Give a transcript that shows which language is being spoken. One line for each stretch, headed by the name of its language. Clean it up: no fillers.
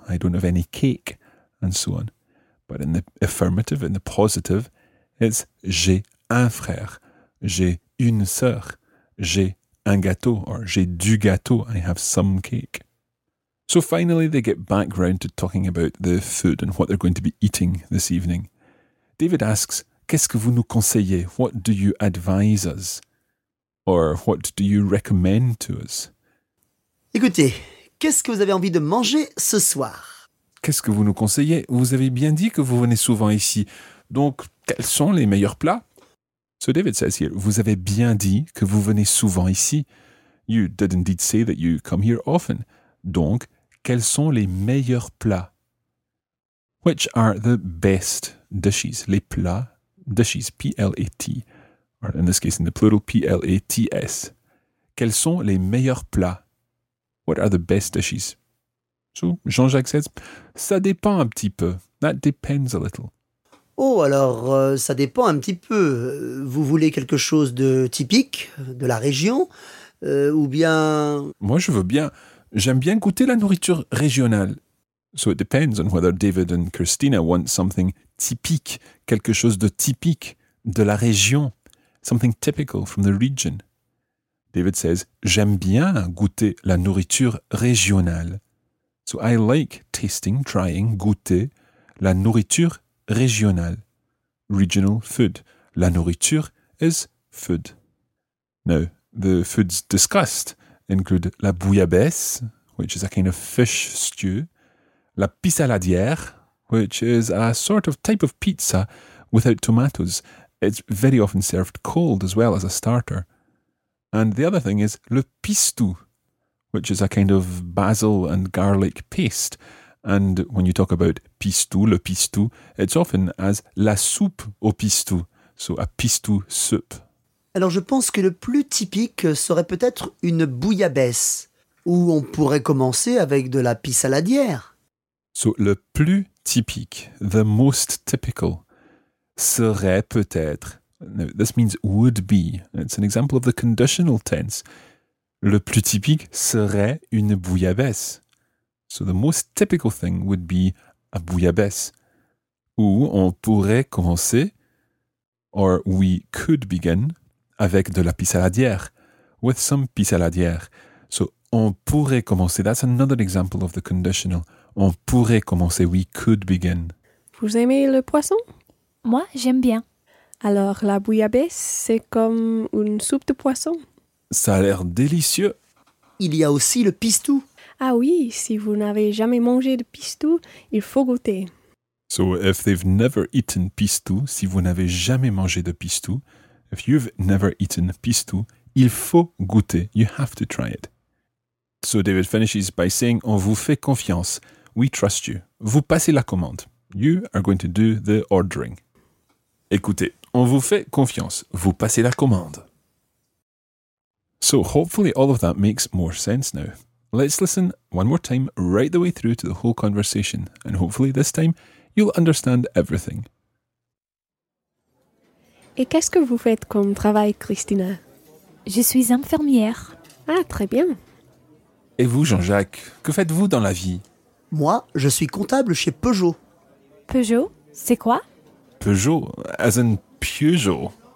English: I don't have any cake. And so on. But in the affirmative, in the positive, it's
French: j'ai un frère. J'ai une sœur. J'ai un gâteau.
English: Or
French: j'ai du gâteau.
English: I have some cake. So finally, they get back round to talking about the food and what they're going to be eating this evening. David asks,
French: qu'est-ce que vous nous conseillez?
English: What do you advise us? Or what do you recommend to us?
French: Écoutez, qu'est-ce que vous avez envie de manger ce soir? Qu'est-ce que vous nous conseillez? Vous avez bien dit que vous venez souvent ici. Donc, quels sont les meilleurs plats?
English: So David says here,
French: vous avez bien dit que vous venez souvent ici.
English: You did indeed say that you come here often.
French: Donc, quels sont les meilleurs plats?
English: Which are the best dishes? Les plats, dishes, P-L-A-T. Or in this case, in the plural, P-L-A-T-S.
French: Quels sont les meilleurs plats?
English: What are the best dishes? So Jean-Jacques says,
French: ça dépend un petit peu.
English: That depends a little.
French: Oh, alors, ça dépend un petit peu. Vous voulez quelque chose de typique, de la région, ou bien... Moi, je veux bien. J'aime bien goûter la nourriture régionale.
English: So it depends on whether David and Christina want something typique,
French: quelque chose de typique, de la région.
English: Something typical from the region. David says,
French: j'aime bien goûter la nourriture régionale.
English: So I like tasting, trying, goûter
French: la nourriture régionale.
English: Regional food. La nourriture is food. Now, the foods discussed include la bouillabaisse, which is a kind of fish stew, la pissaladière, which is a sort of type of pizza without tomatoes. It's very often served cold as well as a starter. And the other thing is le pistou, which is a kind of basil and garlic paste. And when you talk about pistou, le pistou, it's often as
French: la soupe au pistou,
English: so a pistou soup.
French: Alors je pense que le plus typique serait peut-être une bouillabaisse, ou on pourrait commencer avec de la pissaladière. So le plus typique,
English: the most typical,
French: serait peut-être.
English: Now, this means would be. It's an example of the conditional tense.
French: Le plus typique serait une bouillabaisse.
English: So the most typical thing would be a bouillabaisse.
French: Ou on pourrait commencer,
English: or we could begin,
French: avec de la pissaladière.
English: With some pissaladière. So
French: on pourrait commencer.
English: That's another example of the conditional.
French: On pourrait commencer.
English: We could begin.
French: Vous aimez le poisson? Moi, j'aime bien. Alors, la bouillabaisse, c'est comme une soupe de poisson. Ça a l'air délicieux. Il y a aussi le pistou. Ah oui, si vous n'avez jamais mangé de pistou, il faut goûter.
English: So, if they've never eaten pistou,
French: si vous n'avez jamais mangé de pistou,
English: if you've never eaten pistou,
French: il faut goûter.
English: You have to try it. So, David finishes by saying,
French: on vous fait confiance.
English: We trust you.
French: Vous passez la commande.
English: You are going to do the ordering.
French: Écoutez, on vous fait confiance. Vous passez la commande.
English: So hopefully all of that makes more sense now. Let's listen one more time right the way through to the whole conversation. And hopefully this time, you'll understand everything.
French: Et qu'est-ce que vous faites comme travail, Christina? Je suis infirmière. Ah, très bien. Et vous, Jean-Jacques, que faites-vous dans la vie? Moi, je suis comptable chez Peugeot. Peugeot, c'est quoi?
English: Peugeot, as in Peugeot.